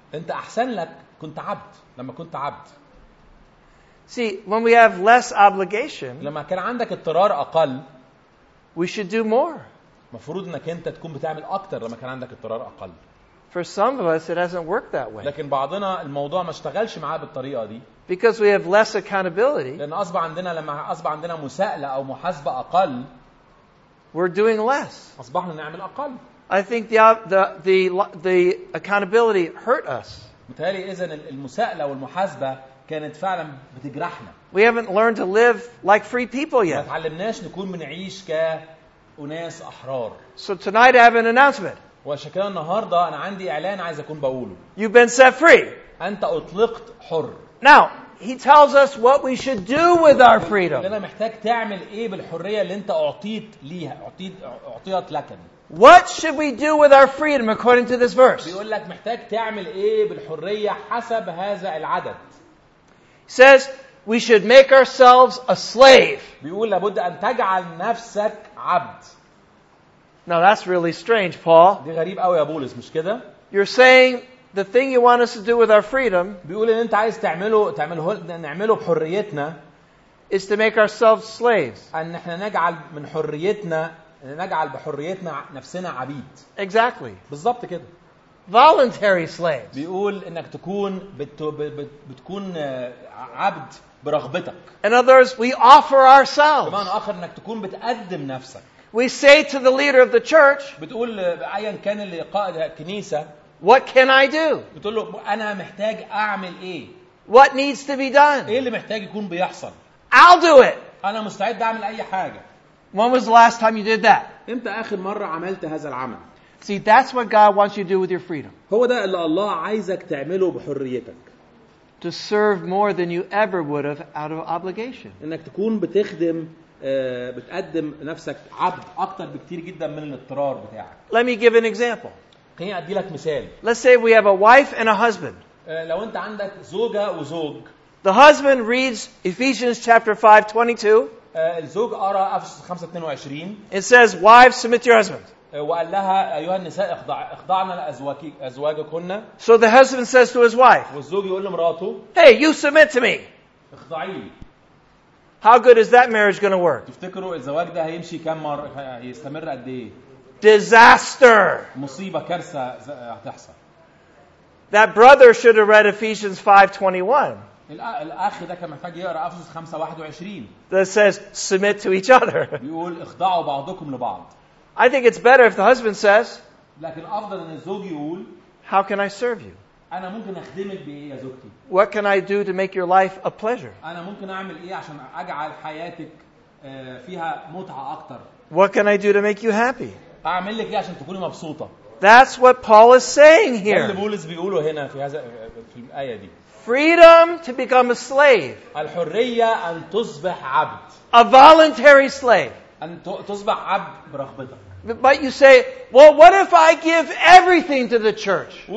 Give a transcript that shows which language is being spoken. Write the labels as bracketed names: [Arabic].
[Arabic] أنت أحسن لك كنت عبد لما كنت عبد. [English] See, when we have less obligation, [Arabic] لما كان عندك اضطرار أقل, [English] we should do more. [Arabic] مفروض إنك أنت تكون بتعمل أكتر لما كان عندك اضطرار أقل. [English] For some of us, it hasn't worked that way. [Arabic] لكن بعضنا الموضوع ما اشتغلش معاه بالطريقة دي. [English] Because we have less accountability. [Arabic] لأن أصبح عندنا لما أصبح عندنا مساءلة أو محاسبة أقل, [English] we're doing less. [Arabic] أصبحنا نعمل أقل. [English] I think the accountability hurt us. [Arabic] متهيألي إذن المساءلة والمحاسبة كانت فعلا بتجرحنا. [English] We haven't learned to live like free people yet. [Arabic] ما تعلمناش نكون بنعيش كأناس أحرار. [English] So tonight I have an announcement. [Arabic] وعشان كده النهاردة أنا عندي إعلان عايز أكون بقوله. [English] You've been set free. [Arabic] أنت أطلقت حر. [English] Now he tells us what we should do with our freedom. [Arabic] أنا محتاج تعمل إيه بالحرية اللي أنت أعطيت ليها أعطيت لك. [English] What should we do with our freedom according to this verse? [Arabic] بيقول لك محتاج تعمل إيه بالحرية حسب هذا العدد. [English] Says we should make ourselves a slave. [Arabic] بيقول لابد أن تجعل نفسك عبد. [English] Now that's really strange, Paul. [Arabic] دي غريب قوي يا بولس مش كده؟ [English] You're saying the thing you want us to do with our freedom. [Arabic] بيقول إن أنت عايز تعمله بحريتنا. [English] Is to make ourselves slaves. [Arabic] أن إحنا نجعل من حريتنا. نجعل بحريتنا نفسنا عبيد. [English] Exactly. [Arabic] بالضبط كده. [English] Voluntary slaves. [Arabic] بيقول إنك تكون بتكون عبد برغبتك. [English] In other words, we offer ourselves. [Arabic] بمعنى آخر إنك تكون بتقدم نفسك. [English] We say to the leader of the church. [Arabic] بتقول أيا كان اللي قائد الكنيسة. [English] What can I do? [Arabic] بتقول له أنا محتاج أعمل إيه. [English] What needs to be done? [Arabic] إيه اللي محتاج يكون بيحصل. [English] I'll do it. [Arabic] أنا مستعد أعمل أي حاجة. [English] When was the last time you did that? [Arabic] إمتى آخر مرة عملت هذا العمل؟ [English] See, that's what God wants you to do with your freedom. [Arabic] هو ده اللي الله عايزك تعمله بحريتك. [English] To serve more than you ever would have out of obligation. [Arabic] إنك تكون بتخدم بتقدم نفسك عبد أكتر بكتير جدا من الاضطرار بتاعك. [English] Let me give an example. [Arabic] خليني أدي لك مثال. [English] Let's say we have a wife and a husband. [Arabic] لو أنت عندك زوجة وزوج. [English] The husband reads Ephesians chapter 5:22. [Arabic] الزوج أرى أفسس 5:22. [English] It says, wives submit to your husband. [Arabic] وقال لها أيها النساء اخضعنا لأزواجكن. [English] So the husband says to his wife. [Arabic] والزوج يقول لمراته. [English] Hey, you submit to me. [Arabic] اخضعي لي. [English] How good is that marriage going to work? [Arabic] تفتكروا الزواج ده هيمشي كم مرة هيستمر قد إيه؟ [English] Disaster. [Arabic] مصيبة كارثة هتحصل. [English] That brother should have read Ephesians 5:21. [Arabic] الأخ ده كان محتاج يقرا أفسس 5:21. [English] That says submit to each other. [Arabic] بيقول اخضعوا بعضكم لبعض. [English] I think it's better if the husband says. [Arabic] لكن أفضل إن الزوج يقول. [English] How can I serve you? [Arabic] أنا ممكن أخدمك بإيه يا زوجتي؟ [English] What can I do to make your life a pleasure? [Arabic] أنا ممكن أعمل إيه عشان أجعل حياتك فيها متعة أكتر؟ [English] What can I do to make you happy? [Arabic] أعمل لك إيه عشان تكوني مبسوطة؟ [English] That's what Paul is saying here. [Arabic] اللي بولس بيقوله هنا في هذا في الآية دي. [English] Freedom to become a slave. [Arabic] الحرية أن تصبح عبد. [English] A voluntary slave. [Arabic] أن تصبح عبد برغبتك. [English] But you say, well, what if I give everything to the church?